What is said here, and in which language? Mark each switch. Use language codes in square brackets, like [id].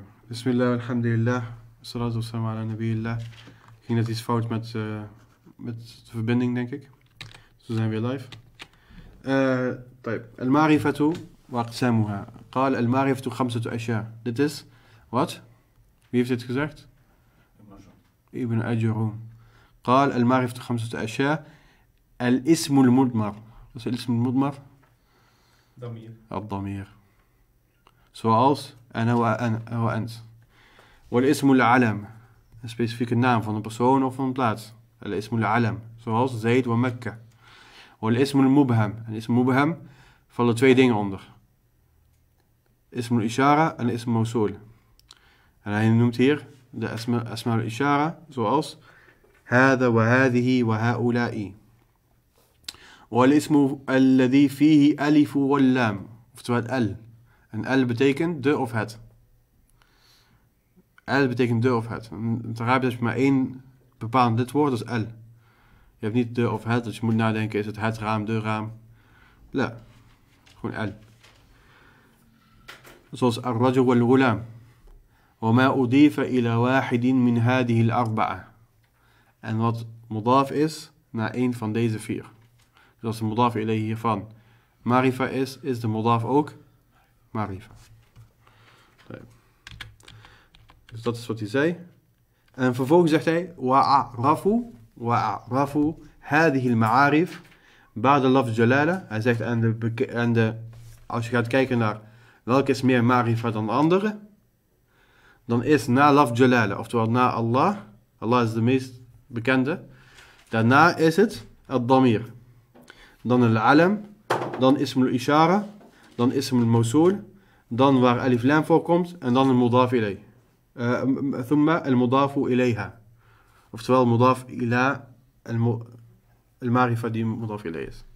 [ar] بسم الله والحمد لله والصلاة والسلام على نبي الله. [nl] Ging net iets fout met de verbinding, denk ik. Zo zijn we weer live. [ar] طيب. المعرفة وأقسامها. قال المعرفة خمسة أشياء. [nl] Dit is wat? Wie heeft dit gezegd? Ibn Ajurum. [ar] قال المعرفة خمسة أشياء. الاسم المضمر. [nl] Wat is الاسم المضمر? [ar] Damir. الضمير. Zoals أنا وأنت. والاسم العلم. [nl] Een specifieke naam van een persoon of van een plaats. [ar] الاسم العلم. Zoals Zayd wa Mekka. والاسم المبهم. [nl] En اسم مبهم vallen twee dingen onder. [ar] اسم الإشارة en اسم موصول. [nl] En hij noemt hier de اسم الإشارة zoals [ar] هذا وهذه وهؤلاء. والاسم الذي فيه ألف واللام. [nl] Oftewel أل. En أل betekent de of het. أل betekent de of het. In het Arabisch heb je maar één bepaald lidwoord, dat is أل. Je hebt niet de of het, dus je moet nadenken, is het raam, de raam. La. Gewoon أل. [ar] Zoals الرجل والغلام. وما أضيف إلى واحد من هذه الأربعة. [nl] En wat مضاف is naar één van deze vier. Dus als de مضاف إليه hiervan marifa is, is de مضاف ook marifa. Dus dat is wat hij zei. En vervolgens zegt hij, [ar] وَعَرَفُ وَعَرَفُ هَذِهِ الْمَعَارِفُ بَعْدَ لَفْ جَلَالَ. [nl] Hij zegt, als je gaat kijken naar welke is meer marifa dan de andere, dan is na لَفْ جَلَالَ, oftewel na Allah, Allah is de meest bekende, daarna is het الضمير, dan العلم, dan اسم الإشارة, dan اسم الموصول, dan waar ألف لام voorkomt, en dan المضاف إليه. [ar] ثم المضاف إليها. Oftewel المضاف إلى المعرفة دي مضاف إليه.